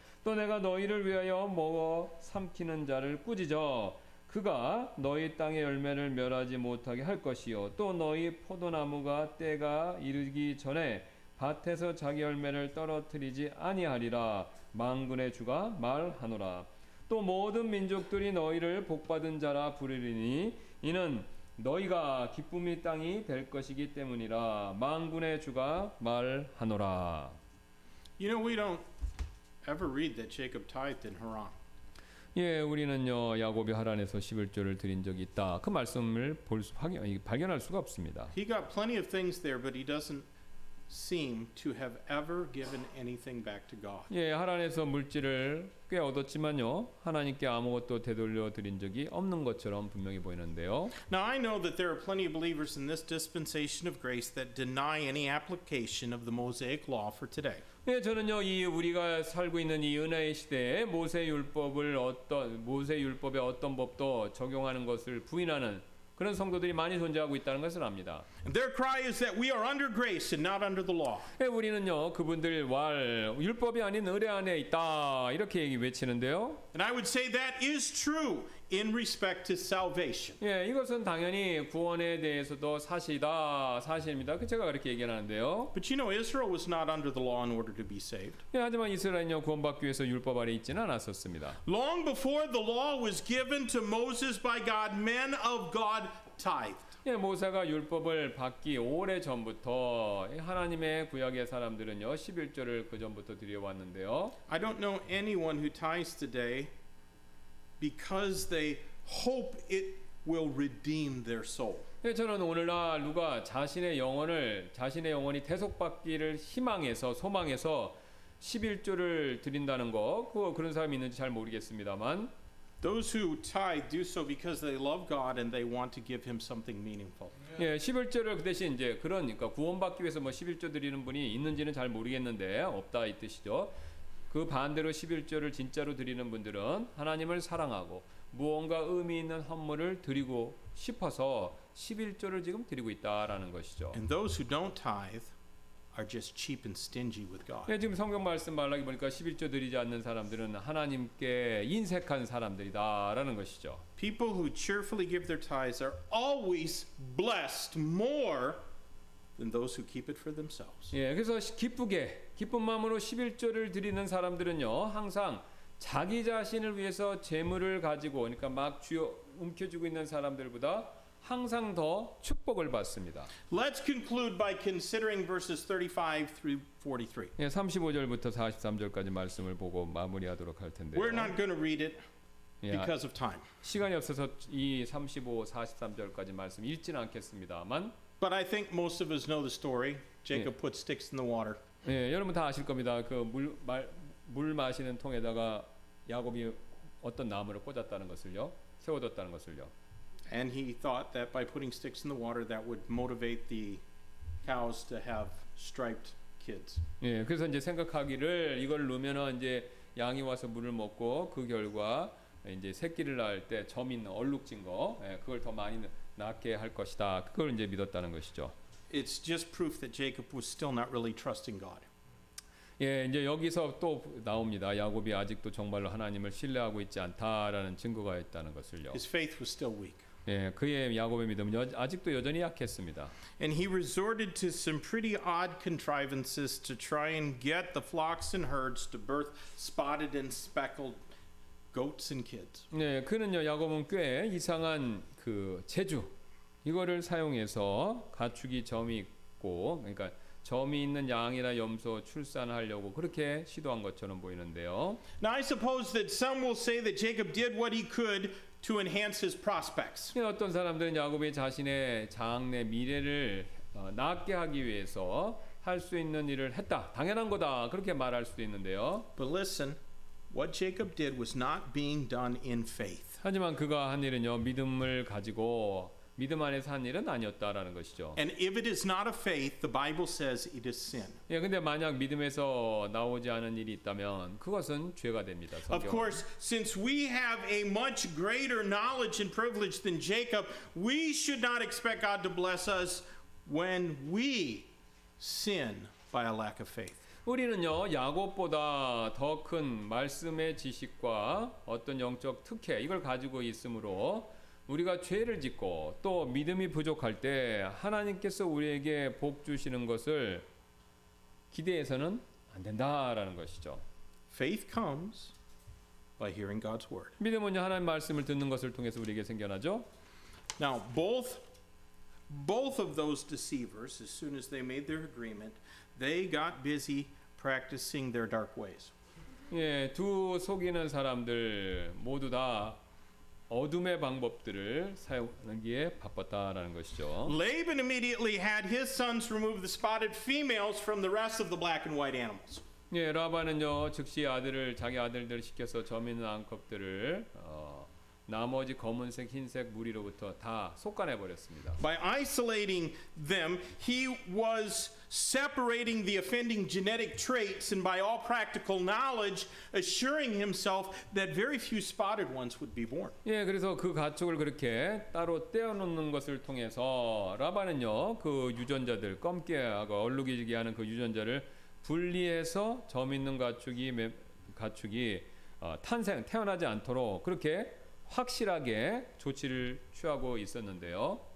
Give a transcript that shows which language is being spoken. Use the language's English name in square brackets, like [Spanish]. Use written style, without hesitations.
[Korean] 또 내가 너희를 위하여 먹어 삼키는 자를 꾸짖어 그가 너희 땅의 열매를 멸하지 못하게 할 것이요 또 너희 포도나무가 때가 이르기 전에 밭에서 자기 열매를 떨어뜨리지 아니하리라. 만군의 주가 말하노라. 또 모든 민족들이 너희를 복받은 자라 부르리니 이는 너희가 기쁨의 땅이 될 것이기 때문이라 만군의 주가 말하노라. [English] You know, we don't ever read that Jacob tithed in Haran. [Korean] 예, 우리는요 야곱이 하란에서 십일조를 드린 적이 있다. 그 말씀을 발견할 수가 없습니다. [English] He got plenty of things there, but he doesn't. Seem to have ever given anything back to God. [Korean] 예, 하란에서 물질을 꽤 얻었지만요, 하나님께 아무것도 되돌려 드린 적이 없는 것처럼 분명히 보이는데요. [English] Now I know that there are plenty of believers in this dispensation of grace that deny any application of the Mosaic law for today. [Korean] 예, 저는요, 이 우리가 살고 있는 이 은혜의 시대에 모세 율법의 어떤 법도 적용하는 것을 부인하는. 그런 성도들이 많이 존재하고 있다는 것을 압니다. [English] And their cry is that we are under grace and not under the law. [Korean] 예, 우리는요 그분들 왈 율법이 아닌 은혜 안에 있다 이렇게 외치는데요. [English] And I would say that is true in respect to salvation. [Korean] 예, 이것은 당연히 구원에 대해서도 사실입니다. 그 제가 그렇게 얘기하는데요. [English] But you know, Israel was not under the law in order to be saved. [Korean] 예, 하지만 이스라엘은요 구원받기 위해서 율법 아래 있지는 않았었습니다. [English] Long before the law was given to Moses by God, men of God tithed. [Korean] 예, 모세가 율법을 받기 오래 전부터 하나님의 구약의 사람들은요 십일조를 그 전부터 드려왔는데요. [English] I don't know anyone who tithes today because they hope it will redeem their soul. [Korean] 예, 저는 오늘날 누가 자신의 영혼이 대속받기를 소망해서 십일조를 드린다는 거 그런 사람이 있는지 잘 모르겠습니다만. [English] Those who tithe do so because they love God and they want to give Him something meaningful. [Korean] 예, 십일조를 그 대신 이제 그러니까 구원받기 위해서 뭐 십일조 드리는 분이 있는지는 잘 모르겠는데 없다 이 뜻이죠. 그 반대로 십일조를 진짜로 드리는 분들은 하나님을 사랑하고 무언가 의미 있는 헌물을 드리고 싶어서 십일조를 지금 드리고 있다라는 것이죠. [English] And those who don't tithe are just cheap and stingy with God. [Korean] 예, 지금 성경 말씀 말하기 보니까 십일조 드리지 않는 사람들은 하나님께 인색한 사람들이다라는 것이죠. [English] People who cheerfully give their tithes are always blessed more than those who keep it for themselves. [Korean] 예, 그래서 기쁘게 기쁜 마음으로 십일조를 드리는 사람들은요, 항상 자기 자신을 위해서 재물을 가지고 그러니까 막 쥐어 움켜쥐고 있는 사람들보다 항상 더 축복을 받습니다. [English] Let's conclude by considering verses 35 through 43. [Korean] 예, 35절부터 43절까지 말씀을 보고 마무리하도록 할 텐데요. [English] We're not going to read it because of time. [Korean] 시간이 없어서 이 35, 43절까지 말씀 읽지는 않겠습니다만. [English] But I think most of us know the story. Jacob put sticks in the water. [Korean] 예, 여러분 다 아실 겁니다. 그 물 마시는 통에다가 야곱이 어떤 나무를 꽂았다는 것을요. 세워뒀다는 것을요. [English] And he thought that by putting sticks in the water that would motivate the cows to have striped kids. [Korean] 예, 그래서 이제 생각하기를 이걸 넣으면 이제 양이 와서 물을 먹고 그 결과 이제 새끼를 낳을 때 점 있는 얼룩진 거 예, 그걸 더 많이 낳게 할 것이다. 그걸 이제 믿었다는 것이죠. [English] It's just proof that Jacob was still not really trusting God. [Korean] 예, 이제 여기서 또 나옵니다. 야곱이 아직도 정말로 하나님을 신뢰하고 있지 않다라는 증거가 있다는 것을요. [English] His faith was still weak. [Korean] 예, 그의 야곱의 믿음은 아직도 여전히 약했습니다. [English] And he resorted to some pretty odd contrivances to try and get the flocks and herds to birth spotted and speckled goats and kids. [Korean] 예, 그는요 야곱은 꽤 이상한 그 재주 이거를 사용해서 가축이 점이 있고 그러니까 점이 있는 양이나 염소 출산하려고 그렇게 시도한 것처럼 보이는데요. [English] Now I suppose that some will say that Jacob did what he could to enhance his prospects. [Korean] 어떤 사람들은 야곱이 자신의 장래 미래를 낫게 하기 위해서 할 수 있는 일을 했다. 당연한 거다. 그렇게 말할 수도 있는데요. [English] But listen, what Jacob did was not being done in faith. [Korean] 하지만 그가 한 일은요, 믿음을 가지고 믿음 안에서 한 일은 아니었다라는 것이죠. [English] And if it is not a faith, the Bible says it is sin. [Korean] 예, 근데 만약 믿음에서 나오지 않은 일이 있다면 그것은 죄가 됩니다. 성경. [English] Of course, since we have a much greater knowledge and privilege than Jacob, we should not expect God to bless us when we sin by a lack of faith. [Korean] 우리는요, 야곱보다 더 큰 말씀의 지식과 어떤 영적 특혜 이걸 가지고 있으므로 우리가 죄를 짓고 또 믿음이 부족할 때 하나님께서 우리에게 복 주시는 것을 기대해서는 안 된다라는 것이죠. [English] Faith comes by hearing God's word. [Korean] 믿음은요 하나님 말씀을 듣는 것을 통해서 우리에게 생겨나죠. [English] Now both of those deceivers, as soon as they made their agreement, they got busy practicing their dark ways. [Korean] 예, 두 속이는 사람들 모두 다 어둠의 방법들을 사용하기에 바빴다라는 것이죠. [English] Laban immediately had his sons remove the spotted females from the rest of the black and white animals. [Korean] 예, 라반은요 즉시 아들을 자기 아들들 시켜서 점 있는 암컷들을 나머지 검은색, 흰색 무리로부터 다 속간해 버렸습니다. [English] By isolating them, he was separating the offending genetic traits, and by all practical knowledge, assuring himself that very few spotted ones would be born. [Korean] 예, 그래서 그 가축을 그렇게 따로 떼어놓는 것을 통해서 라반은요 그 유전자들 검게하고 얼룩이지게 하는 그 유전자를 분리해서 점 있는 가축이 탄생 태어나지 않도록 그렇게 확실하게 조치를 취하고 있었는데요.